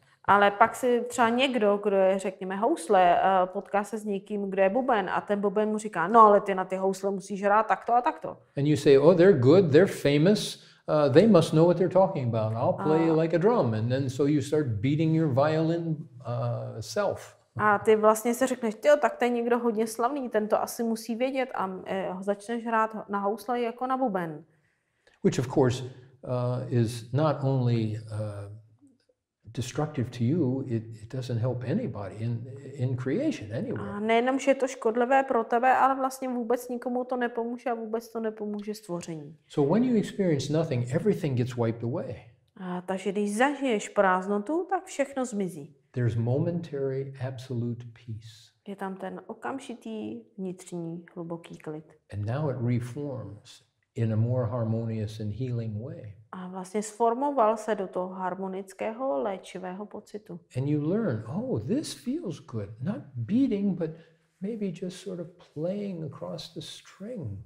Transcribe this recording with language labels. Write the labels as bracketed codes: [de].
[cs] Ale pak si třeba někdo, kdo je, řekněme, housle, potká se s někým, kdo je buben, a ten buben mu říká, no ale ty na ty housle musíš hrát takto a takto. [en] And you say, oh, they're good, they're famous, they must know what they're talking about, I'll play like a drum. And then so you start beating your violin self. [cs] A ty vlastně se řekneš, tyjo, tak to je někdo hodně slavný, ten to asi musí vědět, a začneš hrát na housle jako na buben. [en] Which of course is not only destructive to you, it doesn't help anybody in creation anywhere. [cs] A nejenom, že je to škodlivé pro tebe, ale vlastně vůbec nikomu to nepomůže a vůbec to nepomůže stvoření. [en] So when you experience nothing, everything gets wiped away. [cs] A takže když zažiješ prázdnotu, tak všechno zmizí. [en] There's momentary absolute peace. [cs] Je tam ten okamžitý vnitřní hluboký klid. [en] And now it reforms in a more harmonious and healing way. [cs] A vlastně sformoval se do toho harmonického léčivého pocitu. [en] And you learn, oh, this feels good. Not beating, but maybe just sort of playing across the string.